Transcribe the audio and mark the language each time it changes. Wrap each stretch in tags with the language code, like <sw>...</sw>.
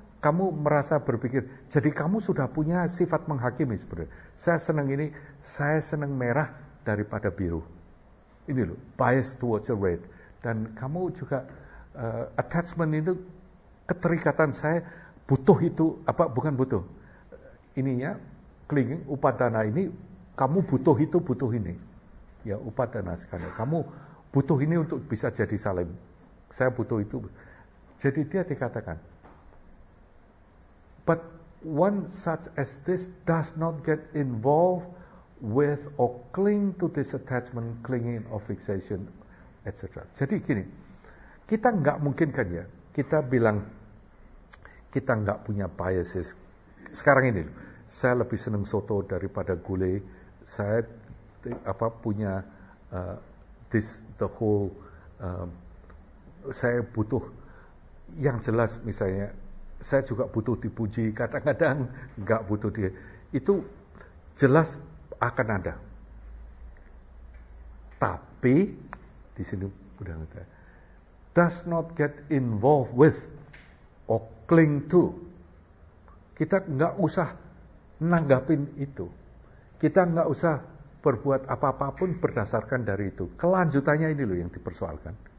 <id>Kamu merasa berpikir, jadi kamu sudah punya sifat menghakimi sebenarnya. Saya senang ini, saya senang merah daripada biru. Ini loh,</id> <en>bias towards the red.</en> <id>Dan kamu juga attachment itu keterikatan, saya butuh itu, apa bukan butuh. Ininya, clinging, upadana ini, kamu butuh itu, butuh ini. Ya, upadana sekali. Kamu butuh ini untuk bisa jadi salim. Saya butuh itu. Jadi dia dikatakan,</id> <en>but one such as this does not get involved with or cling to this attachment, clinging or fixation, etc.</en> <id>Jadi gini, kita enggak mungkin kan ya, kita bilang kita enggak punya biases. Sekarang ini, saya lebih senang soto daripada gulai. Saya apa punya</id> <en>this the whole.</en> <id>Saya butuh yang jelas misalnya. Saya juga butuh dipuji, kadang-kadang enggak butuh dia. Itu jelas akan ada. Tapi di sini Buddha kata,</id> <en>does not get involved with or cling to.</en> <id>Kita enggak usah nanggapin itu. Kita enggak usah berbuat apa-apapun berdasarkan dari itu. Kelanjutannya ini loh yang dipersoalkan.</id>